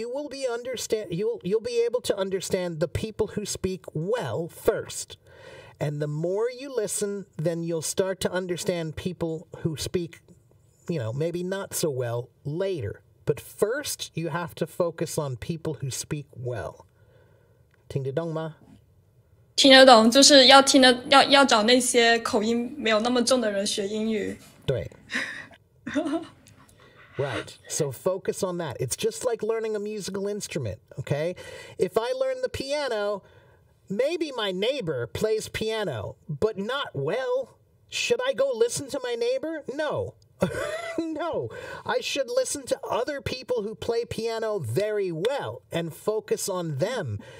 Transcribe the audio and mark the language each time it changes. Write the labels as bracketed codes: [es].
[en] You'll be able to understand the people who speak well first. And the more you listen, then you'll start to understand people who speak, you know, maybe not so well later. But first, you have to focus on people who speak well. [zh] 听得懂吗? 听得懂, 就是要听得, 要找那些口音没有那么重的人学英语。对。 [en] Right, so focus on that. It's just like learning a musical instrument, okay? If I learn the piano, maybe my neighbor plays piano, but not well. Should I go listen to my neighbor? No. No, I should listen to other people who play piano very well and focus on them.